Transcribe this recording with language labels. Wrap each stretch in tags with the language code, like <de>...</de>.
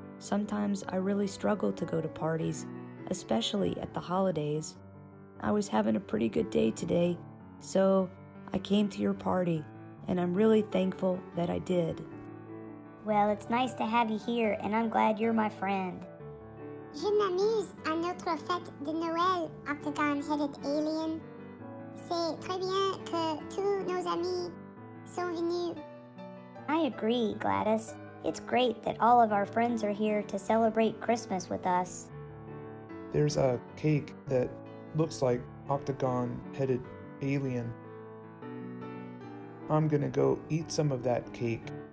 <en>Sometimes I really struggle to go to parties, especially at the holidays. I was having a pretty good day today, so I came to your party, and I'm really thankful that I did. Well, it's nice to have you here, and I'm glad you're my friend.</en> <fr>Je m'amuse à notre fête de Noël, Octagon-Headed Alien. C'est très bien que tous nos amis sont venus.</fr> <en>I agree, Gladys. It's great that all of our friends are here to celebrate Christmas with us. There's a cake that looks like Octagon-Headed Alien. I'm gonna go eat some of that cake.</en>